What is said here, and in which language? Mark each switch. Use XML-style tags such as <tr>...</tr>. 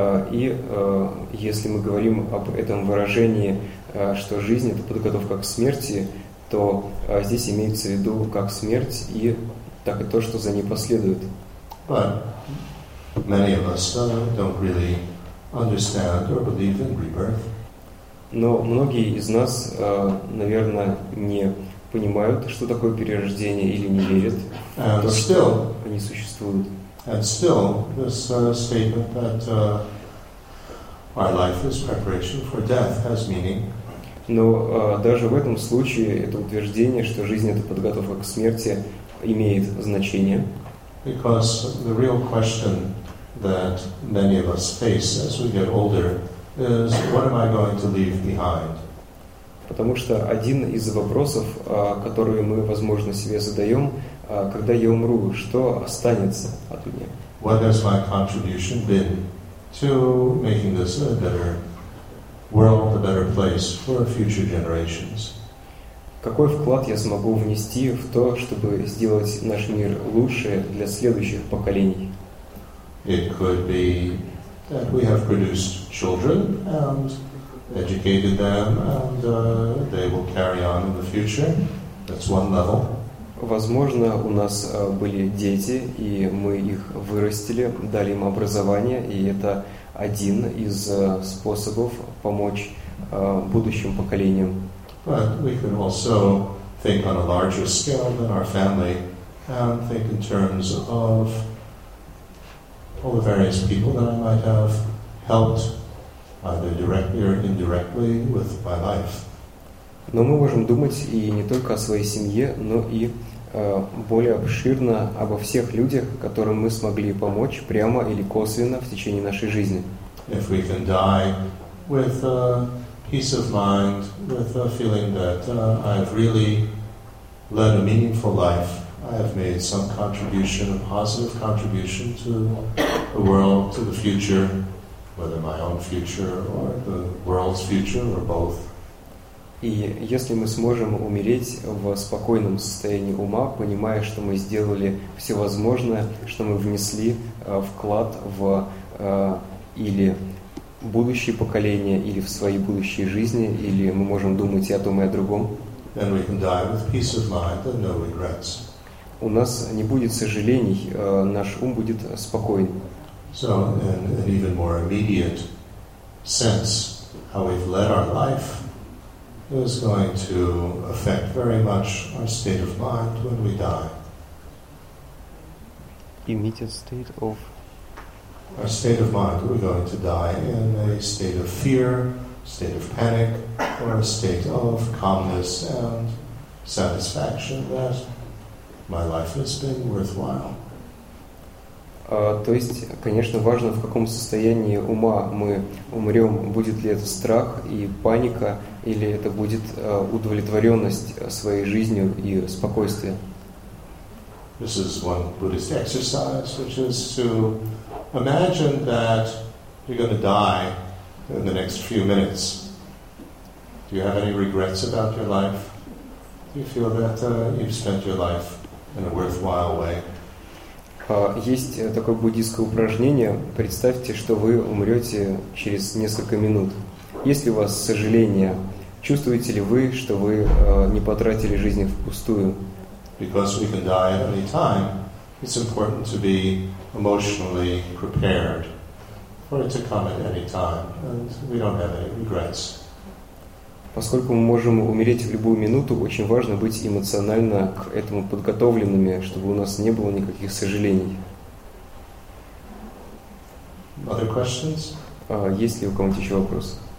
<ru>И если мы говорим об этом выражении, что жизнь — это подготовка к смерти, то здесь имеется в виду как смерть и так и то, что за ней последует.</ru> <en>But many of us don't really understand or believe in rebirth.</en> <ru>Но многие из нас, наверное, не понимают, что такое перерождение, или не верят в то, что они существуют.</ru> <en>And still, this statement that our life is preparation for death has meaning.</en> <ru>Но даже в этом случае это утверждение, что жизнь — это подготовка к смерти, имеет значение.</ru> <en>Because the real question that many of us face as we get older is, what am I going to leave behind?</en> <ru>Потому что один из вопросов, которые мы, возможно, себе задаем, когда я умру, что останется от меня?</ru> <en>What has my contribution been to making this a better world, a better place for future generations?</en> <ru>Какой вклад я смогу внести в то, чтобы сделать наш мир лучше для следующих поколений?</ru> <en>It could be that we have produced children and educated them, and they will carry on in the future. That's one level.</en> <ru>Возможно, у нас были дети, и мы их вырастили, дали им образование, и это один из способов помочь будущим поколениям.</ru> <en>But we could also think on a larger scale than our family and think in terms of all the various people that I might have helped either directly or indirectly with my life.</en> <ru>Но мы можем думать и не только о своей семье, но и более обширно обо всех людях, которым мы смогли помочь прямо или косвенно в течение нашей жизни.</ru> <en>If we can die with peace of mind, with a feeling that I have really led a meaningful life, I have made some contribution, a positive contribution to the world, to the future, whether my own future or the world's future or both.</en> <ru>И если мы сможем умереть в спокойном состоянии ума, понимая, что мы сделали все возможное, что мы внесли вклад в или будущие поколения, или в свои будущие жизни, или мы можем думать и о том, и о другом,</ru> <en>then we can die with peace of mind and no regrets.</en> <ru>У нас не будет сожалений, наш ум будет спокоен.</ru> <en>So, in an even more immediate sense, how we've led our life is going to affect very much our state of mind when we die. Immediate state of our state of mind, we're going to die in a state of fear, state of panic, or a state of calmness and satisfaction that my life has been worthwhile.</en> <ru>То есть, конечно, важно, в каком состоянии ума мы умрем. Будет ли это страх и паника, или это будет удовлетворенность своей жизнью и спокойствие.</ru> <en>This is one Buddhist exercise, which is to imagine that you're going to die in the next few minutes. Do you have any regrets about your life? you feel that you've spent your life in a worthwhile way.</en> <ru>Есть такое буддийское упражнение. Представьте, что вы умрете через несколько минут. Есть ли у вас сожаление? Чувствуете ли вы, что вы не потратили жизнь впустую?</ru> <en>Because we can die at any time, it's important to be emotionally prepared for it to come at any time, and we don't have any regrets.</en> <ru>Поскольку мы можем умереть в любую минуту, очень важно быть эмоционально к этому подготовленными, чтобы у нас не было никаких сожалений.</ru> <en>Other questions?</en> <ru>Есть ли у кого-нибудь еще вопрос?</ru>